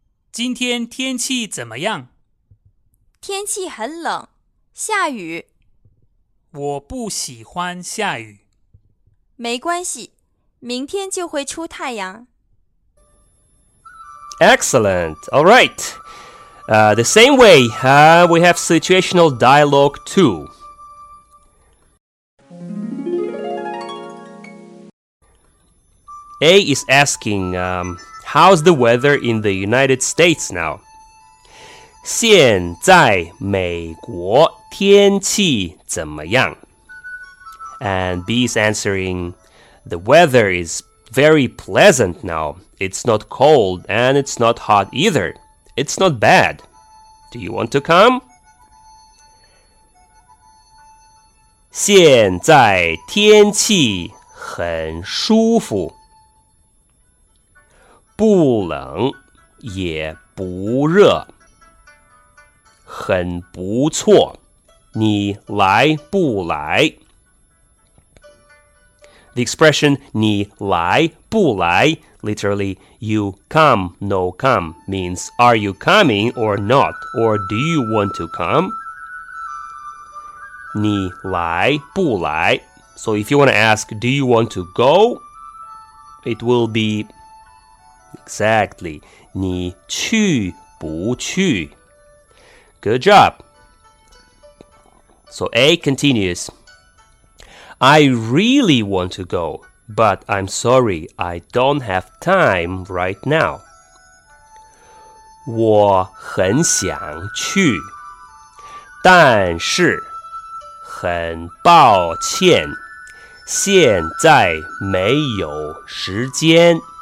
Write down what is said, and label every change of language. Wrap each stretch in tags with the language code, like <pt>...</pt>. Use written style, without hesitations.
<zh>今天天气怎么样？天气很冷，下雨。我不喜欢下雨。没关系，明天就会出太阳。</zh> <en>Excellent. All right. The same way, we have situational dialogue too. 2. A is asking, how's the weather in the United States now?</en> <zh>现在美国天气怎么样?</zh> <en>And B is answering, the weather is very pleasant now. It's not cold and it's not hot either. It's not bad. Do you want to come?</en> <zh>现在天气很舒服。不冷也不热，很不错，你来不来？</zh> <en>The expression</en> <zh>你来不来</zh> <en>literally you come, no come means are you coming or not, or do you want to come?</en> <zh>你来不来？</zh> <en>So if you want to ask do you want to go, it will beExactly.</en> <zh>你去不去?</zh> <en>Good job. So A continues. I really want to go, but I'm sorry, I don't have time right now.</en> <zh>我很想去,但是很抱歉,现在没有时间。</zh>